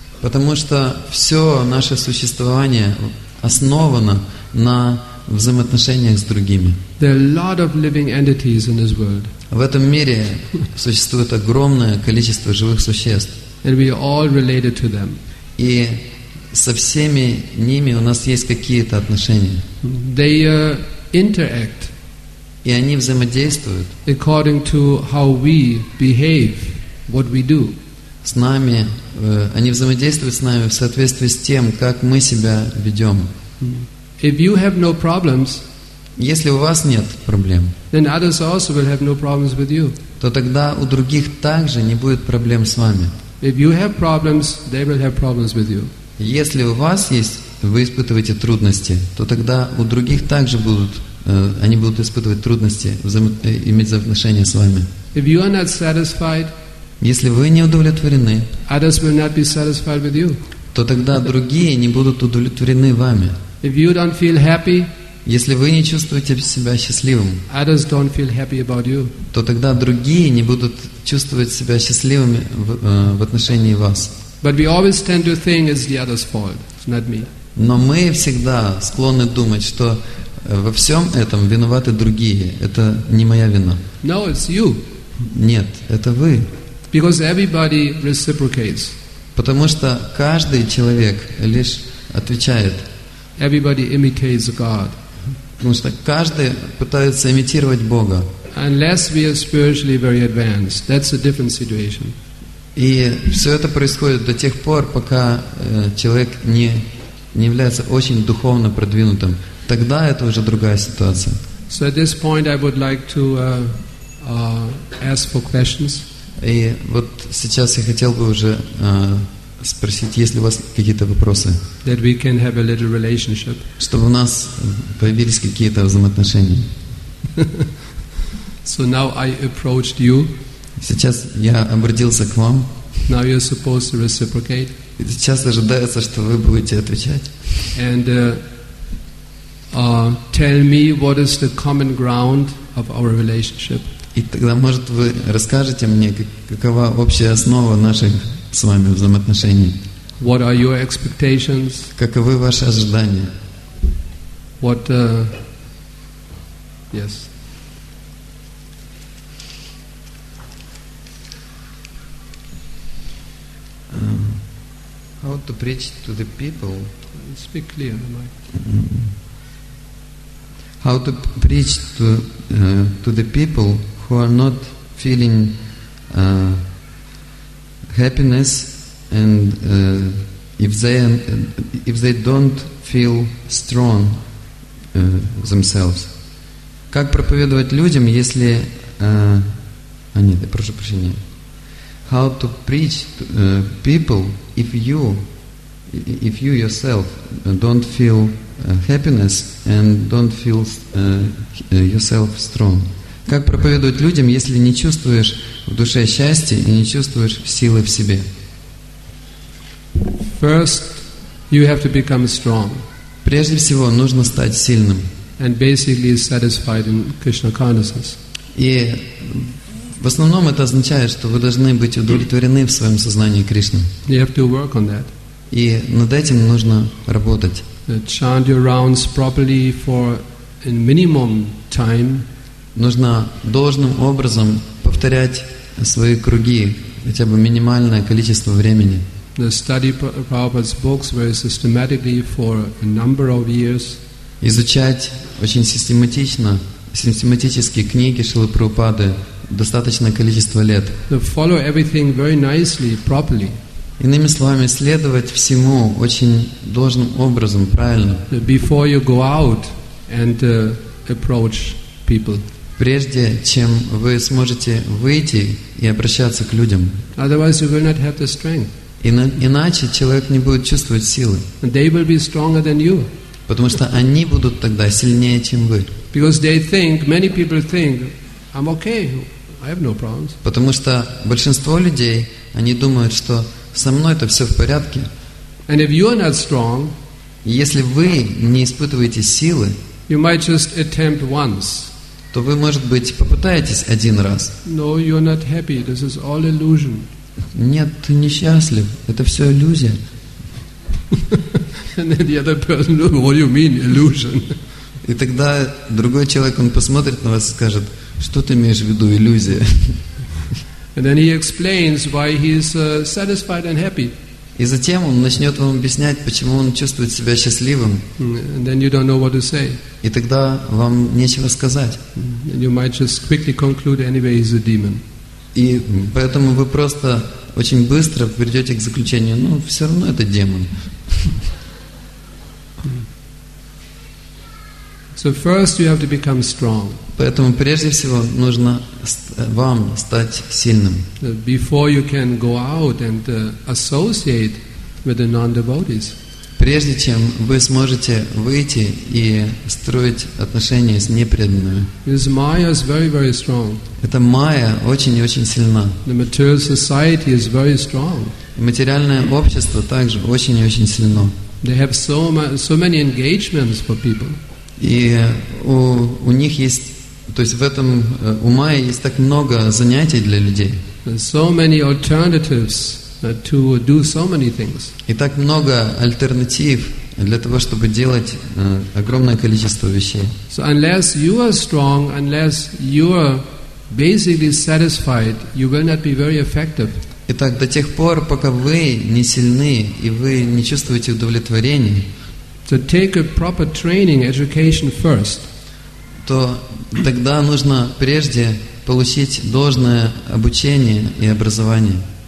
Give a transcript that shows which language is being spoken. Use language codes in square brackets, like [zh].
[ru] Потому что все наше существование основано на взаимоотношениях с другими. [en] There are a lot of living entities in this world. [ru] В этом мире существует огромное количество живых существ. [en] And we are all related to them. [ru] И со всеми ними у нас есть какие-то отношения. [en] They interact. [ru] И они взаимодействуют. [en] According to how we behave. What we do. [ru] С нами, они взаимодействуют с нами в соответствии с тем, как мы себя ведем. [en] If you have no problems, [ru] если у вас нет проблем, [en] then others also will have no problems with you. [ru] То тогда у других также не будет проблем с вами. [en] If you have problems, they will have problems with you. [ru] Если у вас есть, вы испытываете трудности, то тогда у других также будут, они будут испытывать трудности, иметь взаимоотношения с вами. [en] If you are not satisfied, [ru] если вы не удовлетворены, [en] others will not be satisfied with you. [ru] То тогда другие не будут удовлетворены вами. [en] If you don't feel happy, [ru] если вы не чувствуете себя счастливым, [en] others don't feel happy about you. [ru] То тогда другие не будут чувствовать себя счастливыми в отношении вас. [en] But we always tend to think it's the other's fault, it's not me. [ru] Но мы всегда склонны думать, что во всем этом виноваты другие, это не моя вина. [en] No, it's you. [ru] Нет, это вы. [en] Because everybody reciprocates. [ru] Потому что каждый человек лишь отвечает. [en] Everybody imitates God. [ru] Потому что каждый пытается имитировать Бога. [en] Unless we are spiritually very advanced, that's a different situation. [ru] И все это происходит до тех пор, пока человек не является очень духовно продвинутым. Тогда это уже другая ситуация. [en] So at this point, I would like to ask for questions. [ru] И вот сейчас я хотел бы уже спросить, есть ли у вас какие-то вопросы, [en] that we can have a little relationship. [ru] Чтобы у нас появились какие-то взаимоотношения. [en] So now I approached you. [ru] Сейчас я обратился к вам. [en] Now you're supposed to reciprocate. [ru] И сейчас ожидается, что вы будете отвечать. [en] And tell me what is the common ground of our relationship. [ru] И тогда, может, вы расскажете мне, какова общая основа наших с вами взаимоотношений? [en] What are your expectations? [ru] Каковы ваши ожидания? [en] What, yes. How to preach to the people? Speak clear, Mike. How to preach to the people who are not feeling happiness, and if they don't feel strong themselves. [ru] Как проповедовать людям, если... нет, я прошу прощения. [en] How to preach to people if you if you yourself don't feel happiness and don't feel yourself strong? [ru] Как проповедовать людям, если не чувствуешь в душе счастья и не чувствуешь силы в себе? [en] First, you have to become strong. [ru] Прежде всего, нужно стать сильным. [en] And basically satisfied in Krishna consciousness. [ru] И в основном это означает, что вы должны быть удовлетворены в своем сознании Кришны. [en] You have to work on that. [ru] И над этим нужно работать. [en] Chant your rounds properly for a minimum time. [ru] Нужно должным образом повторять свои круги хотя бы минимальное количество времени. [en] The study Prabhupada's books very systematically for a number of years. [ru] Изучать очень систематически книги Шрилы Прабхупады достаточное количество лет. [en] To follow everything very nicely, properly. [ru] Иными словами, следовать всему очень должным образом, правильно. [en] Before you go out and approach people. [ru] Прежде чем вы сможете выйти и обращаться к людям. [en] Otherwise you will not have the strength. [ru] Иначе человек не будет чувствовать силы. [en] They will be stronger than you. [ru] Потому что они будут тогда сильнее, чем вы. [en] Because they think, many people think, I'm okay, I have no problems. [ru] Потому что большинство людей, они думают, что со мной это все в порядке. [en] And if you are not strong, [ru] если вы не испытываете силы, [en] you might just attempt once. [ru] То вы, может быть, попытаетесь один раз. [en] No, you're not happy. This is all illusion. [ru] Нет, ты несчастлив. Это все иллюзия. [en] And then the other person goes, "What do you mean, illusion?" [ru] И тогда другой человек он посмотрит на вас и скажет, что ты имеешь в виду иллюзия? [en] And then he explains why he is satisfied and happy. [ru] И затем он начнет вам объяснять, почему он чувствует себя счастливым. [en] And then you don't know what to say. [ru] И тогда вам нечего сказать. [en] And you might just quickly conclude anyway, he's a demon. [ru] И поэтому вы просто очень быстро придете к заключению, ну, все равно это демон. [en] So first you have to become strong. [ru] Поэтому прежде всего нужно вам стать сильным. [en] Before you can go out and associate with the non-devotees. [ru] Прежде чем вы сможете выйти и строить отношения с непреданными. [en] This Maya is very, very strong. [ru] Эта майя очень и очень сильна. [en] The material society is very strong. [ru] Материальное общество также очень и очень сильно. [en] They have so many engagements for people. [ru] И у них есть, то есть в этом у майя есть так много занятий для людей. [en] So many alternatives. To do so many things. [ru] И так много альтернатив для того, чтобы делать огромное количество вещей. [en] So unless you are strong, unless you are basically satisfied, you will not be very effective. [ru] Итак, до тех пор, пока вы не сильны и вы не чувствуете удовлетворения. [en] So take a proper training, education first. [ru] То тогда нужно прежде получить должное обучение и образование.